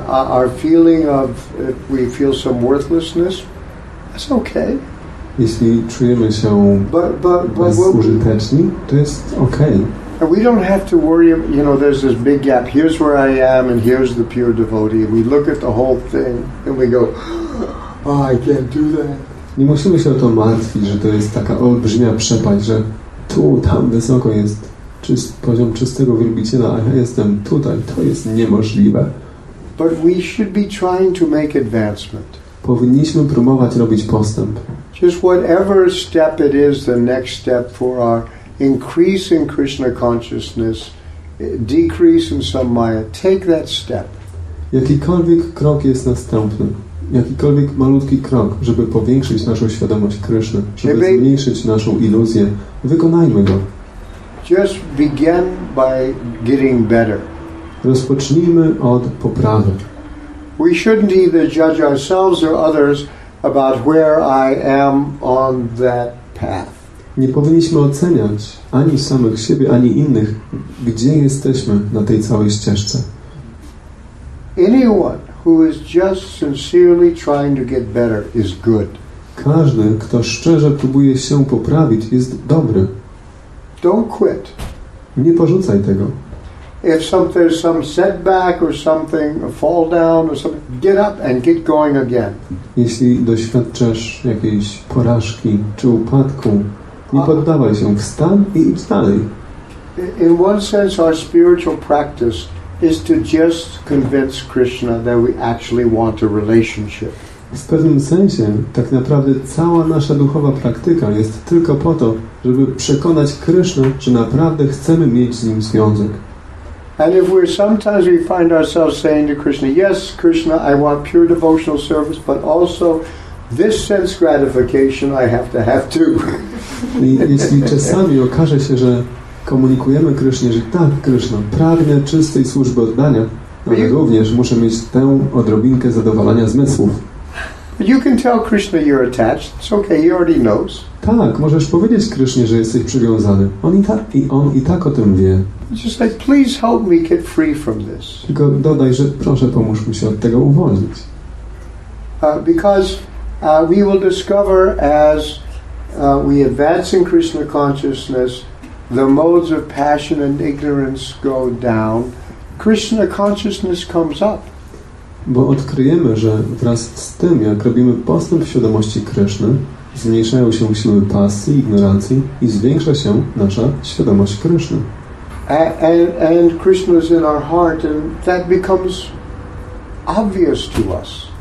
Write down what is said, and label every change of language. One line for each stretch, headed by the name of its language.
English: Our feeling of if we feel some worthlessness, that's okay.
Polish: Jeśli czujemy się bezużyteczni, to jest okay.
English: And we don't have to worry, you know, there's this big gap. Here's where I am and here's the pure devotee. And we look at the whole thing and we go, oh, I can't do that.
Polish: Nie musimy się o to martwić, że to jest taka olbrzymia przepaść, że tu, tam wysoko jest poziom czystego wielbiciela, a ja jestem tutaj. To jest niemożliwe.
English: But we should be trying to make advancement.
Polish: Powinniśmy próbować robić postęp.
English: Just whatever step it is, the next step for our increase in Krishna consciousness, decrease in samaya, take that step.
Polish: Jakikolwiek krok jest następny, jakikolwiek malutki krok, żeby powiększyć naszą świadomość Kryszny, żeby zmniejszyć naszą iluzję, wykonajmy go.
English: Just begin by getting better.
Polish: Rozpocznijmy od poprawy.
English: We shouldn't either judge ourselves or others about where I am on that path.
Polish: Nie powinniśmy oceniać ani samych siebie, ani innych, gdzie jesteśmy na tej całej ścieżce.
English: Anyone who is just sincerely trying to get better is good.
Polish: Każdy, kto szczerze próbuje się poprawić, jest dobry.
English: Don't quit.
Polish: Nie porzucaj tego.
English: If there's some setback or something, a fall down or something, get up and get going again.
Polish: Jeśli doświadczasz jakiejś porażki czy upadku, nie poddawaj się, wstań i idź dalej.
English: In one sense, our spiritual practice is to just convince Krishna that we actually want a relationship.
Polish: W pewnym sensie, tak naprawdę cała nasza duchowa praktyka jest tylko po to, żeby przekonać Krishna, czy naprawdę chcemy mieć z nim związek.
English: And if we sometimes we find ourselves saying to Krishna, yes, Krishna, I want pure devotional service, but also this sense gratification I have to have too.
Polish: I jeśli czasami okaże się, że komunikujemy Krishnie, że tak, Krishna, pragnę czystej służby oddania, ale również muszę mieć tę odrobinkę zadowolenia zmysłów.
English: But you can tell Krishna you're attached. It's okay, he already knows.
Polish: Tak, możesz powiedzieć Krishnie, że jesteś przywiązany. On i tak o tym wie.
English: Just say, please help me get free from this.
Polish: Tylko dodaj, że proszę, pomóż mi się od tego uwolnić.
English: Because we will discover as we advance in Krishna consciousness, the modes of passion and ignorance go down. Krishna consciousness comes up.
Polish: Bo odkryjemy, że wraz z tym, jak robimy postęp w świadomości Kryszny, zmniejszają się siły pasji, ignorancji i zwiększa się nasza świadomość Kryszny.
English: And Krishna is in our heart, and that becomes obvious to us.